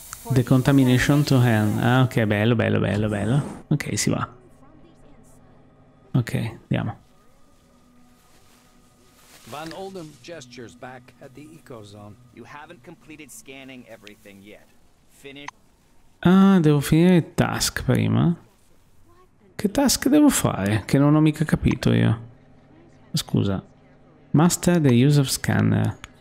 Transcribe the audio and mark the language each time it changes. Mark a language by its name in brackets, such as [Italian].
[English] Decontamination to hand. [Italian] Ah, ok, bello, bello, bello, bello. Ok, si va. Ok, andiamo. [English] Von Oldham gestures back at the Ecozone. You haven't completed scanning everything yet. Finish. [Italian] Ah, devo finire il task prima. Che task devo fare? Che non ho mica capito io. Scusa. [English] Master the use of scanner.